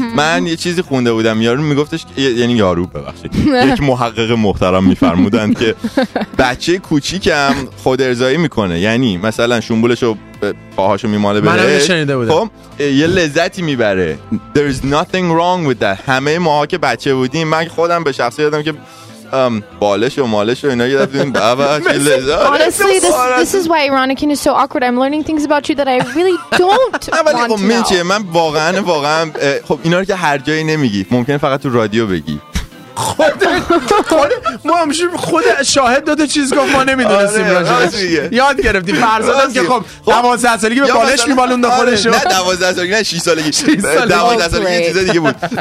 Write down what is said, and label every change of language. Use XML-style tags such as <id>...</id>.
<fa>من یه چیزی خونده بودم، یارو میگفتش، یعنی یارو ببخشید، یک محقق محترم میفرمودن که بچه کوچیکم خود ارضایی میکنه، یعنی مثلا شنبولشو پاهاشو میماله بره، خب یه لذتی میبره.</fa> <en>There is nothing wrong with that.</en> <fa>همه ما ها که بچه بودیم، من خودم به شخصی یادم که بالش و مالش و اینا یه دفعه دیدیم بابا چه لذت.</fa> <en>Honestly this is why Ironican is so awkward. I'm learning things about you that I really don't want to know.</en> <fa>من واقعا خب اینا رو که هر جایی نمیگی، ممکن فقط تو رادیو بگی. خود ما همشون خود شاهد داده چیز گفت، ما نمیدونستیم راجبش یاد گرفتیم. فرزادم که خب 12 سالگی به بالش میبالونده خودشو. نه 12 سالگی، نه 6 سالگی، 12 سالگی چیز دیگه بود.</fa>